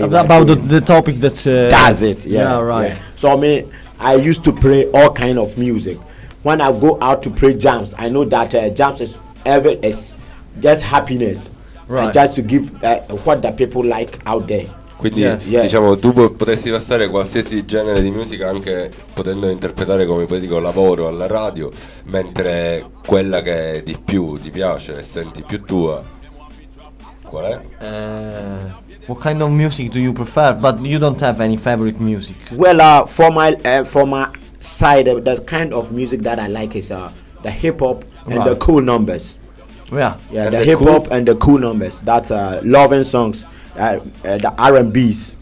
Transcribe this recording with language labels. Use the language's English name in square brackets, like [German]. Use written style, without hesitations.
[English] about the topic that does it. Yeah, right. So me, I used to play all kind of music. When I go out to play jams, I know that jams is ever is just happiness, right? And just to give what the people like out there. [Italian] Quindi [English] yeah. [Italian] Diciamo tu potresti passare qualsiasi genere di musica, anche potendo interpretare come poi dico lavoro alla radio, mentre quella che di più ti piace e senti più tua qual è? [English] What kind of music do you prefer? But you don't have any favorite music. Well, for my side, the kind of music that I like is the hip hop and right. The cool numbers. Yeah, and the hip hop and the cool numbers. That's loving songs. The R&B's.